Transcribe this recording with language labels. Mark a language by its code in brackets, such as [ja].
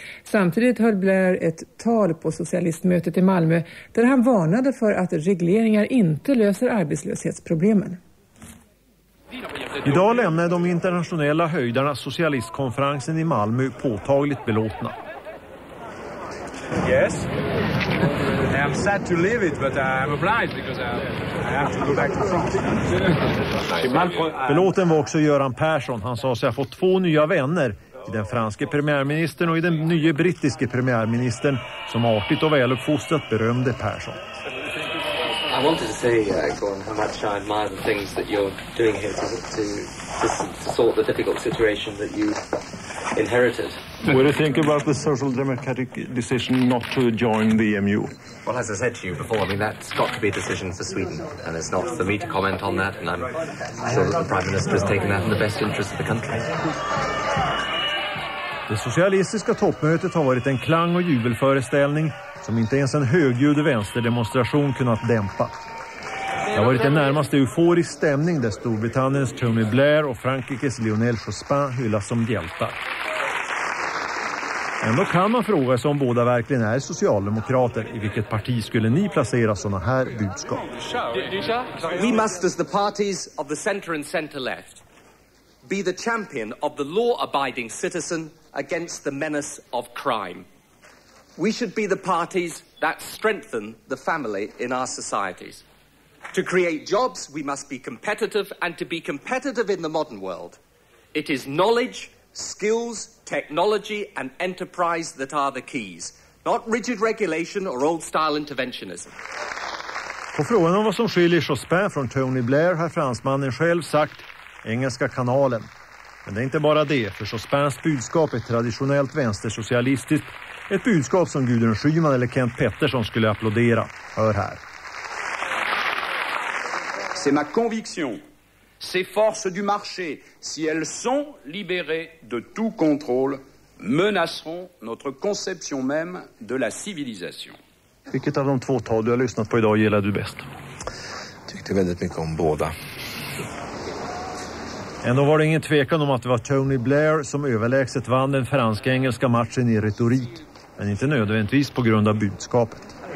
[sv] Samtidigt höll Blair ett tal på socialistmötet i Malmö där han varnade för att regleringar inte löser arbetslöshetsproblemen. Idag lämnar de internationella höjdarna socialistkonferensen i Malmö påtagligt belåtna. [en] Yes. I am sad to leave it, but I am obliged because I have to go back to France. [sv] Belåten var också Göran Persson. Han sa sig ha fått 2 nya vänner i den franske premiärministern och i den nya brittiske premiärministern som artigt och väluppfostrat berömde Persson. [en] I wanted to say, Gordon, how much I admire the things that you're doing here to sort the difficult situation that you inherited. What do you think about the social democratic decision not to join the EMU? Well, as I said to you before, I mean, that's got to be a decision for Sweden, and it's not for me to comment on that, and I'm sure that the Prime Minister has taken that in the best interest of the country. [sv] Det socialistiska toppmötet har varit en klang- och jubelföreställning som inte ens en högljudd vänsterdemonstration kunnat dämpa. Det har varit en närmast euforisk stämning där Storbritanniens Tony Blair och Frankrikes Lionel Jospin hyllas som hjältar. Ändå kan man fråga sig om båda verkligen är socialdemokrater. I vilket parti skulle ni placera såna här budskap? We must, as the parties of the center and center left, be the champion of the law-abiding citizen against the menace of crime. We should be the parties that strengthen the family in our societies. To create jobs, we must be competitive, and to be competitive in the modern world, it is knowledge, skills, technology, and enterprise that are the keys, not rigid regulation or old-style interventionism. På frågan om vad som skiljer Jospin från Tony Blair har fransmannen själv sagt engelska kanalen. Men det är inte bara det, för Jospins budskap är traditionellt vänstersocialistiskt. Ett budskap som Gudrun Schyman eller Kent Pettersson skulle applådera. Hör här. [fr] C'est ma conviction. Ces forces du marché, si elles sont libérées de tout contrôle, menaceront notre conception même de la civilisation. [sv] Vilket av de 2 tal du har lyssnat på idag gillar du bäst? Tyckte väldigt mycket om båda. Ändå var det ingen tvekan om att det var Tony Blair som överlägset vann den franska-engelska matchen i retorik. Men inte nödvändigtvis på grund av budskapet.